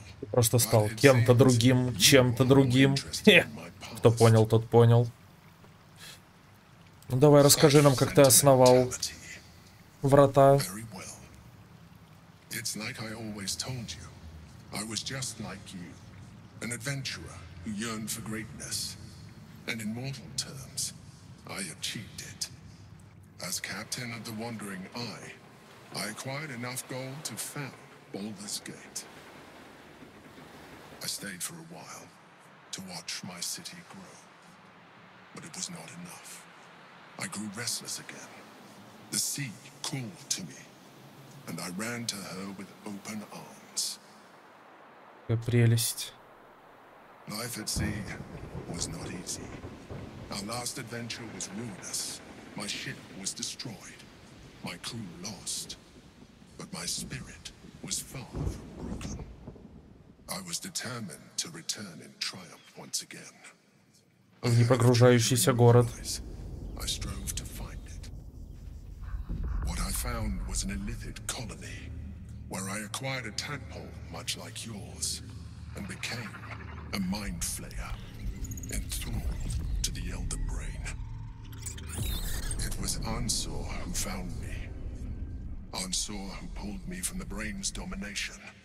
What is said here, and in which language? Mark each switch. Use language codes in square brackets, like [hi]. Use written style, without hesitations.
[ru] Просто стал кем-то другим, чем-то другим. Кто понял, тот понял. Ну давай, расскажи нам, как ты основал врата. [en] It's like I always told you. I was just like you, an adventurer who yearned for greatness. And in mortal terms, I achieved it. As captain of the Wandering Eye, I acquired enough gold to found Baldur's Gate. I stayed for a while to watch my city grow, but it was not enough. I grew restless again. The sea called to me, and I ran to her with open arms. [ru] Какая прелесть. [en] Life at sea was not easy. Our last adventure was ruinous. My ship was destroyed. My crew lost. But my spirit was far from broken. I was determined to return in triumph once again. [ru] Непогружающийся город. [en] I strove to find it. What I found was an illithid colony, where I acquired a tadpole much like yours, and became a mind flayer, enthralled to the Elder Brain. It was Ansor who found me. Ansor who pulled me from the Brain's domination.